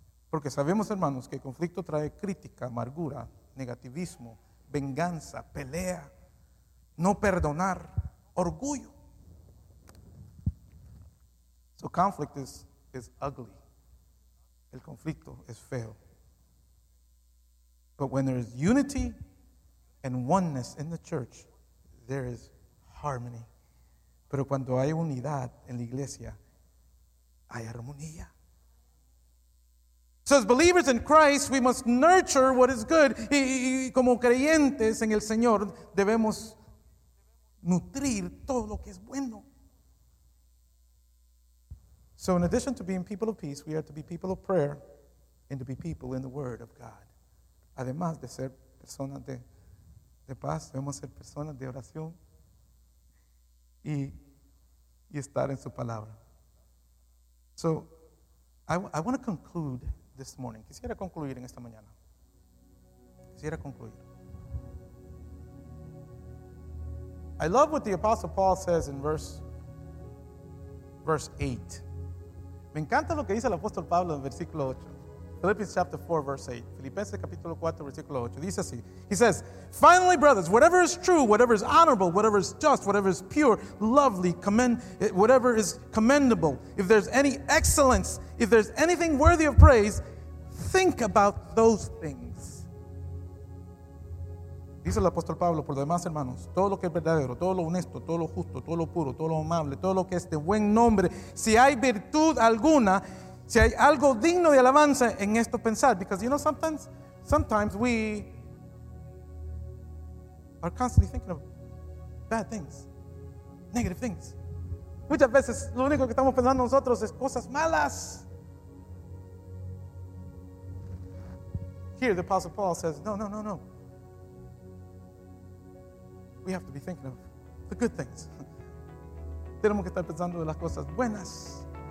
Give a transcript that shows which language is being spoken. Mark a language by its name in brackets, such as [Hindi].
[Spanish] Porque sabemos, hermanos, que conflicto trae crítica, amargura, negativismo, venganza, pelea, no perdonar, orgullo. [English] So conflict is ugly. [Spanish] El conflicto es feo. [English] But when there is unity and oneness in the church, there is harmony. [Spanish] Pero cuando hay unidad en la iglesia, hay armonía. [English] So as believers in Christ, we must nurture what is good. [Spanish] Y como creyentes en el Señor, debemos nutrir todo lo que es bueno. [English] So in addition to being people of peace, we are to be people of prayer and to be people in the Word of God. [Spanish] Además de ser personas de paz, debemos ser personas de oración y estar en su palabra. [English] So I want to conclude this morning. [Spanish] Quisiera concluir en esta mañana. Quisiera concluir. [English] I love what the Apostle Paul says in verse 8. [Spanish] Me encanta lo que dice el apóstol Pablo en versículo 8. [English] Philippians chapter 4, verse 8. [Spanish] Filipenses capítulo 4, versículo 8. Dice así. [English] He says, finally, brothers, whatever is true, whatever is honorable, whatever is just, whatever is pure, lovely, whatever is commendable, if there's any excellence, if there's anything worthy of praise, think about those things. [Spanish] Dice el apóstol Pablo, por lo demás, hermanos, todo lo que es verdadero, todo lo honesto, todo lo justo, todo lo puro, todo lo amable, todo lo que es de buen nombre, si hay virtud alguna, si hay algo digno de alabanza, en esto pensar. [English] Because, you know, sometimes we are constantly thinking of bad things, negative things. [Spanish] Muchas veces lo único que estamos pensando nosotros es cosas malas. [English] Here the Apostle Paul says, no. We have to be thinking of the good things. [Spanish] Tenemos que estar pensando en las cosas buenas.